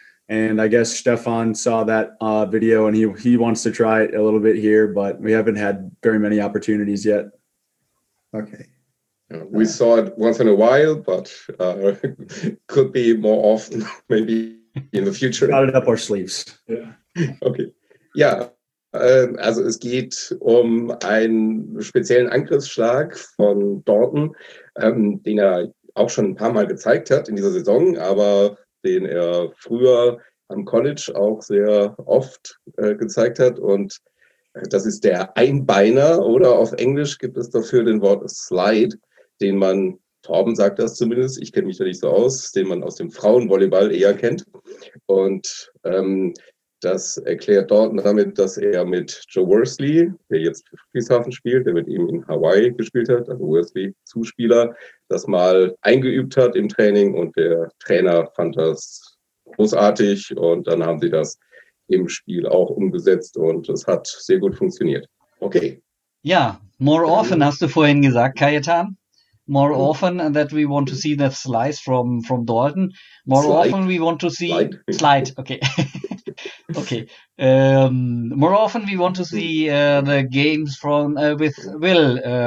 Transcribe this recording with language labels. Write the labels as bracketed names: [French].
[English] And I guess Stefan saw that video and he wants to try it a little bit here, but we haven't had very many opportunities yet. Okay. We saw it once in a while, but could be more often maybe in the future. Got it up our sleeves. Yeah. Okay. Yeah. [German] Also es geht um einen speziellen Angriffsschlag von Dalton, den er auch schon ein paar Mal gezeigt hat in dieser Saison, aber den er früher am College auch sehr oft gezeigt hat. Und das ist der Einbeiner, oder auf Englisch gibt es dafür den Wort Slide, den man, Torben sagt das zumindest, ich kenne mich da nicht so aus, den man aus dem Frauenvolleyball eher kennt. Und das erklärt Dalton damit, dass er mit Joe Worsley, der jetzt für Friedrichshafen spielt, der mit ihm in Hawaii gespielt hat, also Worsley Zuspieler, das mal eingeübt hat im Training und der Trainer fand das großartig und dann haben sie das im Spiel auch umgesetzt und es hat sehr gut funktioniert. [English] Okay. [German] Ja, [English] more often [German] hast du vorhin gesagt, Kajetan. [English] More often that we want to see the slice from Dalton. More slide. Often we want to see slide. Okay. Okay. More often we want to see the games from with Will.